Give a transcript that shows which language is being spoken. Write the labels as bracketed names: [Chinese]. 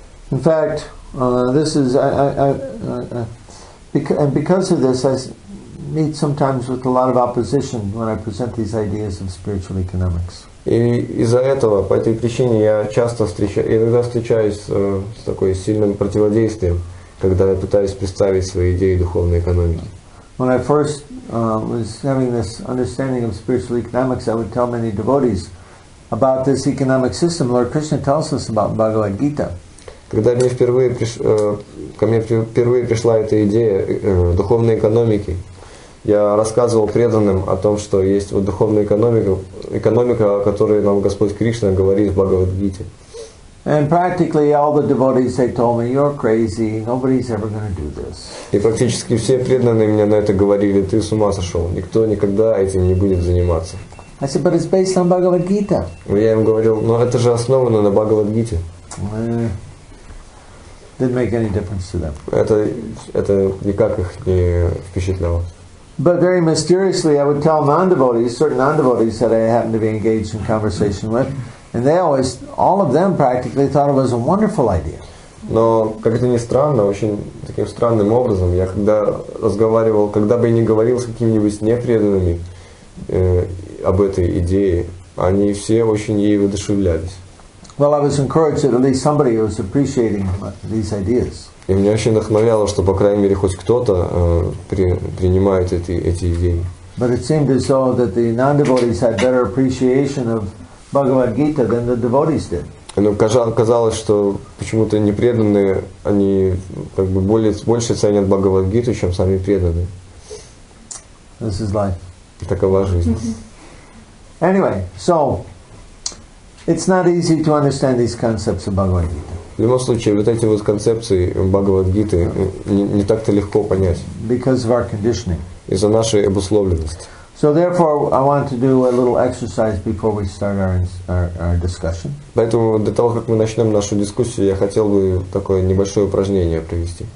[English] In fact, this is and because of this, I meet sometimes with a lot of opposition when I present these ideas of spiritual economics. [Russian] И из-за этого, по этой причине, я часто встречаюсь с такой сильным противодействием, когда я пытаюсь представить свои идеи духовной экономики. [English] When I first was having this understanding of spiritual economics, I would tell many devotees about this economic system. Lord Krishna tells us about Bhagavad Gita. [Russian] Когда мне впервые ко мне впервые пришла эта идея духовной экономики, я рассказывал преданным о том, что есть вот духовная экономика, о которой нам Господь Кришна говорит в Бхагавад Гите. [English] And practically all the devotees, they told me, you're crazy, nobody's ever going to do this. [Russian] И практически все преданные мне на это говорили, ты с ума сошел, никто никогда этим не будет заниматься. [English] I said, but it's based on Bhagavad Gita. [Russian] Я им говорил, но это же основано на Бхагавад Гите. [English] Didn't make any difference to them. [Russian] Это никак их не впечатляло. [English] But very mysteriously, I would tell non-devotees, certain non-devotees that I happened to be engaged in conversation with, and they always, all of them practically thought it was a wonderful idea. [Russian] Но как-то не странно, очень таким странным образом, я когда разговаривал, когда бы я ни говорил с какими-нибудь непреданными об этой идее, они все очень ей воодушевлялись. И меня очень вдохновляло, что по крайней мере хоть кто-то принимает эти идеи. [English] But it seemed as though that the non-devotees had better appreciation of Bhagavad Gita than the devotees did. [Russian] Но казалось, что почему-то непреданные они как бы больше ценят Бхагавад-гиту, чем сами преданные. [English] This is life. [Russian] Такова жизнь. [English] Anyway, so it's not easy to understand these concepts of Bhagavad Gita. [Russian] В любом случае, вот эти вот концепции Бхагавад-гиты не так-то легко понять. [English] Because of our conditioning. [Russian] Из-за нашей обусловленности. [English] So therefore, I want to do a little exercise before we start our discussion. [Russian] Поэтому до того, как мы начнем нашу дискуссию, я хотел бы такое небольшое упражнение провести.